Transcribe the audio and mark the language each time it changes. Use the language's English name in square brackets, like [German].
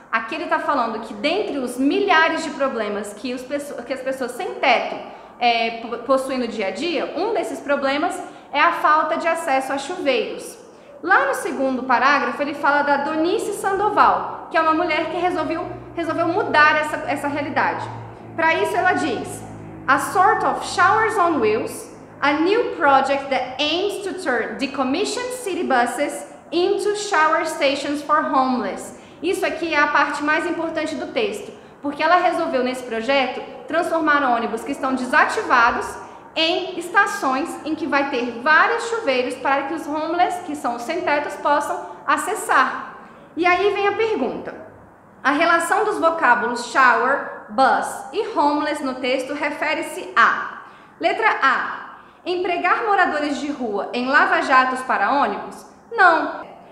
[Portuguese] Aqui ele está falando que dentre os milhares de problemas que as pessoas sem teto possuem no dia a dia, um desses problemas é a falta de acesso a chuveiros. Lá no segundo parágrafo ele fala da Donice Sandoval, que é uma mulher que resolveu mudar essa realidade. Para isso ela diz: [English] A sort of showers on wheels, a new project that aims to turn decommissioned city buses into shower stations for homeless. [Portuguese] Isso aqui é a parte mais importante do texto, porque ela resolveu nesse projeto transformar ônibus que estão desativados em estações em que vai ter vários chuveiros para que os homeless, que são os sem tetos, possam acessar. E aí vem a pergunta: a relação dos vocábulos shower, bus e homeless no texto refere-se a: letra A, empregar moradores de rua em lava-jatos para ônibus? Não.